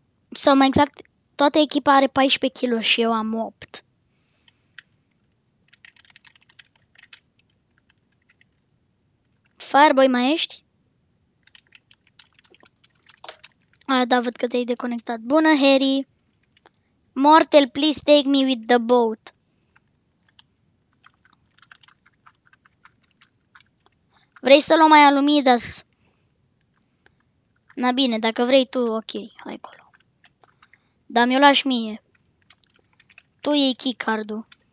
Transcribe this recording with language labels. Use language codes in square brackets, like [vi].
[ro] Sau mai exact, toată echipa are 14 kill-uri și eu am 8. Fireboy, mai ești? A, da, văd că te-ai deconectat. Bună, Harry! [en] Mortal, please take me with the boat. [ro] Vrei să luăm mai Alumidas? Na bine, dacă vrei tu, ok, hai acolo. Dar mi-o lași mie. Tu iei keycard-ul.